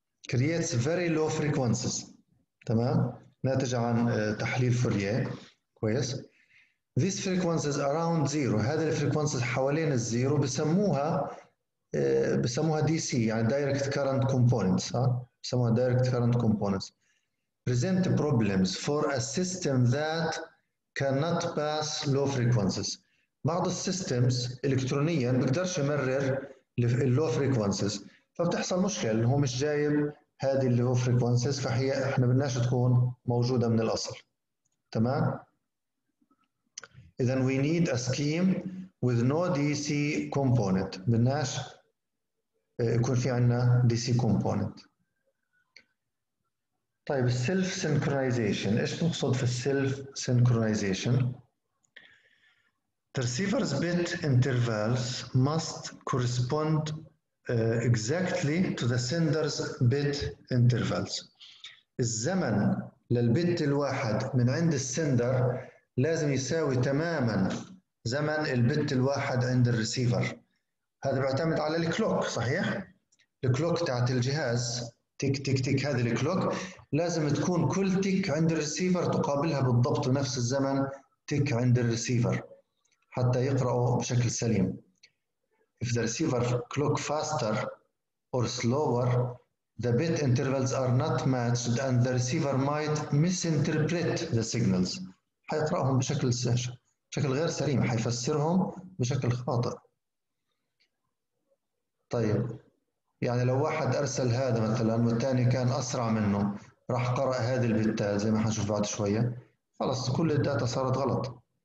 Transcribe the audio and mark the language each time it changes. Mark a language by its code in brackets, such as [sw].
[en] creates very low frequencies, [ar] تمام؟ ناتج عن تحليل فوريير كويس؟ [en] These frequencies around zero, [ar] هذه الفريكونسز حوالين الزيرو بسموها دي سي يعني دايركت كارنت كومبوننتس ها بسموها دايركت كارنت كومبوننتس [en] present problems for a system that cannot pass low frequencies. [ar] بعض السيستمز الكترونيا ما بيقدرش يمرر اللو فريكونسز فبتحصل مشكله هو مش جايب هذه اللو فريكونسز فهي احنا بدناش تكون موجوده من الاصل تمام. [en] Then we need a scheme with no DC component. [ar] بدناش يكون في عندنا DC component. طيب السيلف سينكرونايزيشن ايش بنقصد في السيلف سينكرونايزيشن؟ [en] The receiver's bit intervals [ar] must correspond exactly to the sender's bit intervals. الزمن للبت الواحد من عند السندر لازم يساوي تماما زمن البت الواحد عند الريسيفر. هذا بيعتمد على الكلوك صحيح؟ الكلوك تاعت الجهاز تيك تيك تيك هذه الكلوك لازم تكون كل تيك عند الريسيفر تقابلها بالضبط نفس الزمن تيك عند الريسيفر حتى يقرأه بشكل سليم. [en] If the receiver clock faster or slower, the bit intervals are not matched and the receiver might misinterpret the signals. [ar] حيقرأهم بشكل سهل بشكل غير سليم حيفسرهم بشكل خاطئ. طيب يعني لو واحد أرسل هذا مثلا والثاني كان أسرع منه راح قرأ هذه البتات زي ما حنشوف بعد شوية خلاص كل الداتا صارت غلط.